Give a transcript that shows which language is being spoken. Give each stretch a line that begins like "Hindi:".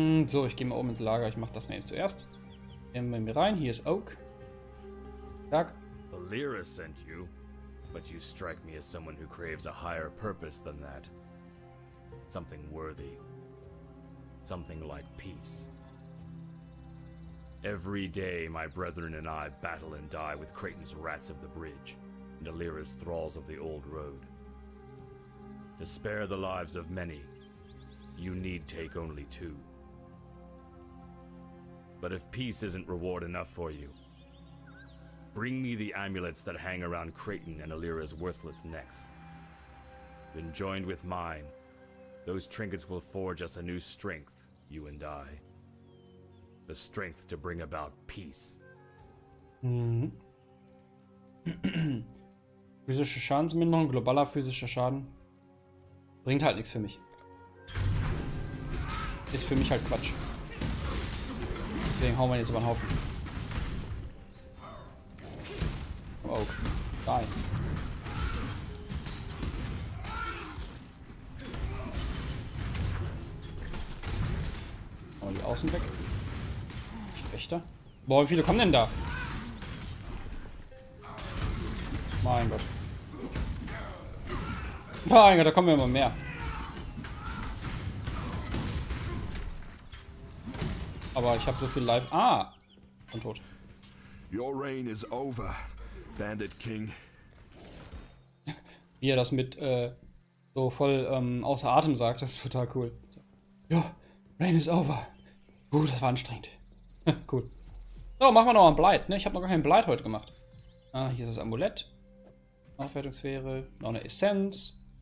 German: So, ich gehe mal oben ins Lager. Ich mach das mal eben zuerst. Gehen wir mal rein. Hier ist Oak. Zack.
English: Valyra sent you, but you strike me as someone who craves a higher purpose than that. Something worthy. Something like peace. Every day, my brethren and I battle and die with Kraton's rats of the bridge and Alira's thralls of the old road. To spare the lives of many, you need take only two. But if peace isn't reward enough for you, bring me the amulets that hang around Kraton and Alira's worthless necks. When joined with mine, those trinkets will forge us a new strength, you and I. The strength to bring about peace.
German: Physische Schadensminderung, globaler physischer Schaden. Bringt halt nichts für mich. Ist für mich halt Quatsch. Deswegen hauen wir jetzt über den Haufen. Oh, okay. Nein. Machen wir die außen weg. Wächter? Boah, wie viele kommen denn da? Mein Gott. Mein Gott, da kommen immer mehr. Aber ich habe so viel Life. Ah! Bin tot.
English: Your reign is over, Bandit King.
German: Wie er das mit so voll außer Atem sagt, das ist total cool. Ja,
English: reign is over.
German: Das war anstrengend. Cool. So, machen wir noch ein Blight. Ne? Ich habe noch gar kein Blight heute gemacht. Ah, hier ist das Amulett. Aufwertungssphäre. Noch eine Essenz.